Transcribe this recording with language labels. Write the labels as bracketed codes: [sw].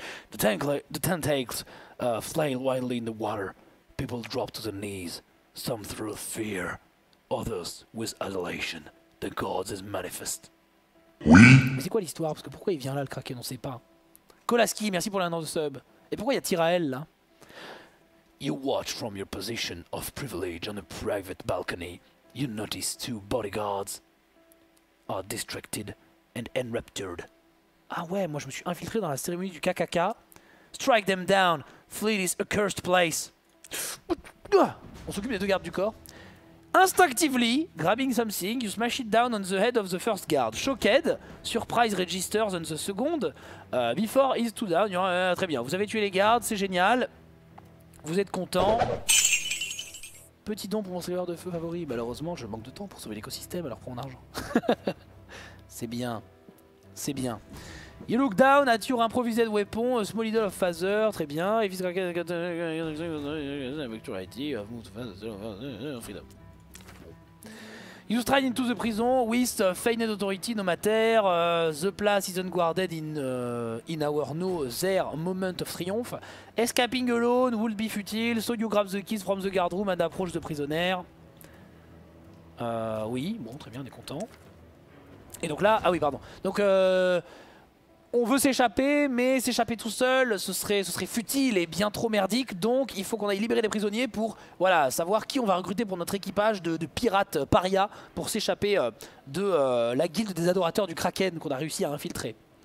[en] The tentacles flail wildly in the water. People drop to their knees. Some through fear. Others with adulation. The gods is manifest. [fr] Oui. Mais c'est quoi l'histoire? Parce que pourquoi il vient là le Kraken? On sait pas. Kolaski, merci pour l'annonce de sub. Et pourquoi il y a Tyrael là? [en] You watch from your position of privilege on a private balcony. You notice two bodyguards are distracted and enraptured. [fr] Ah ouais, moi je me suis infiltré dans la cérémonie du KKK. [en] Strike them down, flee this accursed place. [fr] On s'occupe des deux gardes du corps. [en] Instinctively, grabbing something, you smash it down on the head of the first guard. Shocked, surprise registers on the second, before he's too down. [fr] Très bien, vous avez tué les gardes, c'est génial. Vous êtes content. Petit don pour mon serveur de feu favori. Malheureusement, je manque de temps pour sauver l'écosystème, alors prends mon argent. C'est bien. C'est bien. [en] You look down at your improvised weapon, a small idol of phaser, [fr] très bien. [en] If it's freedom. You stride into the prison with feigned authority no matter, the place is unguarded in our no their moment of triumph. Escaping alone would be futile, so you grab the keys from the guard room and approach the prisoner. [fr] Oui, bon, très bien, on est content. Et donc là, ah oui, pardon. Donc, on veut s'échapper, mais s'échapper tout seul, ce serait futile et bien trop merdique. Donc, il faut qu'on aille libérer des prisonniers pour, voilà, savoir qui on va recruter pour notre équipage de pirates paria pour s'échapper de la guilde des adorateurs du Kraken qu'on a réussi à infiltrer.